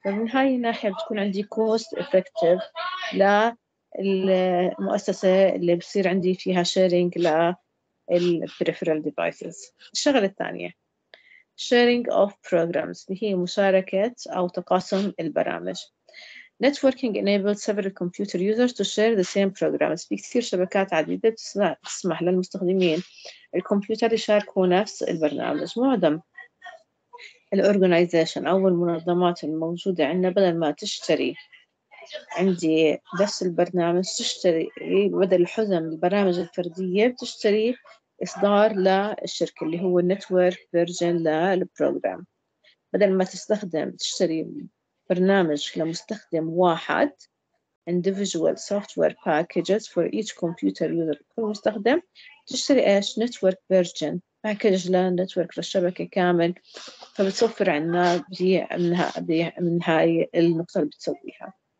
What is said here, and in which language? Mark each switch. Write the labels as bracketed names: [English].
[Arabic] فمن هاي الناحية بتكون عندي كوست إفكتيف للمؤسسة اللي بصير عندي فيها شارينج للبريفرال ديفايسز. الشغلة الثانية [English] sharing of programs [Arabic] اللي هي مشاركة أو تقاسم البرامج. [English] Networking enables several computer users to share the same programs. [Arabic] في كثير شبكات عديدة تسمح للمستخدمين الكمبيوتر يشاركوا نفس البرنامج. معظم الorganization أو المنظمات الموجودة عندنا بدل ما تشتري عندي بس البرنامج تشتري بدل الحزم البرامج الفردية بتشتري إصدار للشركة اللي هو Network Version للبروغرام، بدل ما تستخدم تشتري برنامج لمستخدم واحد [English] Individual Software Packages for each computer user [Arabic] كل مستخدم، تشتري إيش Network Version باكيج لنتورك للشبكة كامل، فبتوفر عنا من هاي النقطة اللي بتسويها.